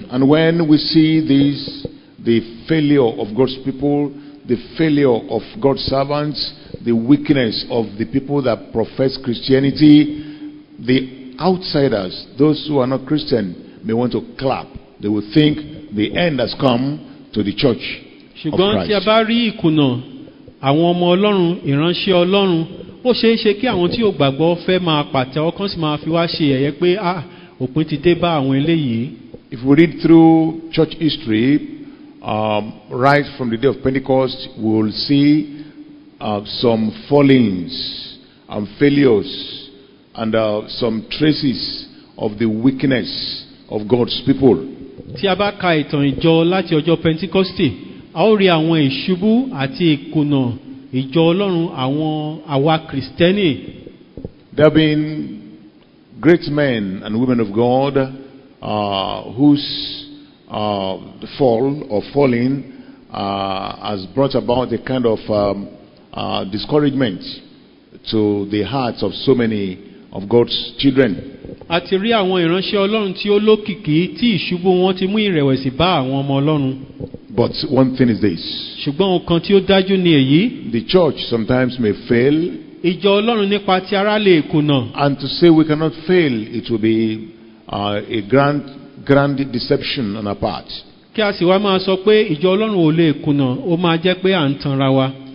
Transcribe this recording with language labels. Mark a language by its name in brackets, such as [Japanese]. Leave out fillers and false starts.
[English] And when we see this, the failure of God's people, the failure of God's servants, the weakness of the people that profess Christianity, the outsiders, those who are not Christian, may want to clap. They will think the end has come to the church. [Yoruba] Ṣùgbọ́n tí a bá rí ìkùnà, àwọn ọmọ Ọlọ́run, ìránṣẹ́ Ọlọ́run, ó ṣeé ṣe kí àwọn tí ò gbàgbọ́ fẹ́ máa pàtẹ, ọkàn sì máa fi wá ṣe ẹ̀yẹ pé òpin ti dé bá àwọn eléyìí. [English] If we read through church history, right from the day of Pentecost, we will see some fallings and failures and some traces of the weakness of God's people. [Yoruba] Tí a bá ka ìtàn ìjọ láti ọjọ́ Pentecost, a ó rí àwọn ìṣubú àti ìkùnà ìjọ Ọlọ́run àwọn àwa Kristẹni. [English] There have been great men and women of God whose fall or falling has brought about a kind of discouragement to the hearts of so many of God's children. [Yoruba] A ti rí àwọn ìránṣẹ́ Ọlọ́run tí ó lókìkí tí ìṣubú wọn ti mú ìrẹ̀wẹ̀sì bá àwọn ọmọ Ọlọ́run. [English] But one thing is this. [Yoruba] Ṣùgbọ́n ọkàn tí ó dájú ni èyí. [English] The church sometimes may fail. [Yoruba] Ìjọ Ọlọ́run nípa ti ara lè kùnà. [English] And to say we cannot fail, it will be a grand deception on our part. [Yoruba] Kí a sì wá máa sọ pé ìjọ Ọlọ́run ò lè kùnà, ó máa jẹ́ pé à ń tanra wa.